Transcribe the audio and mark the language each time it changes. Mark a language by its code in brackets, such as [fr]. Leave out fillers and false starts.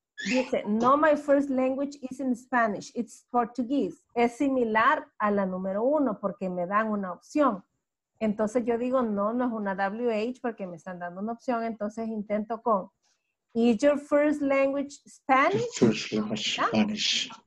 [es] Dice, [en] no, my first language is in Spanish, it's Portuguese. [es] Es similar a la número uno porque me dan una opción. Entonces yo digo, no, no es una WH porque me están dando una opción. Entonces intento con, [en] is your first language Spanish?